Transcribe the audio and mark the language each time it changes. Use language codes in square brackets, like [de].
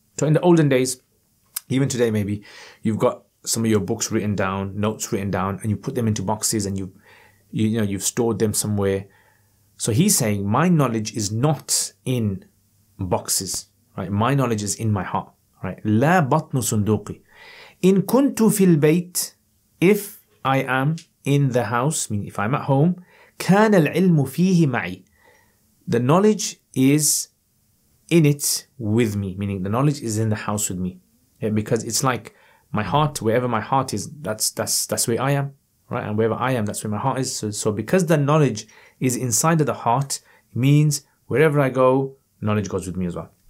[en] So in the olden days, even today maybe, you've got some of your books written down, notes written down, and you put them into boxes and you've stored them somewhere. So he's saying, my knowledge is not in boxes, right? My knowledge is in my heart, right? [ar] لا بطن صندوقي. إن كنت في البيت, [en] if I am in the house, meaning if I'm at home, [ar] كان العلم فيه معي. [en] The knowledge is in it with me, meaning the knowledge is in the house with me. Yeah, because it's like my heart, wherever my heart is, that's where I am, right? And wherever I am, that's where my heart is. So because the knowledge is inside of the heart, means wherever I go, knowledge goes with me as well.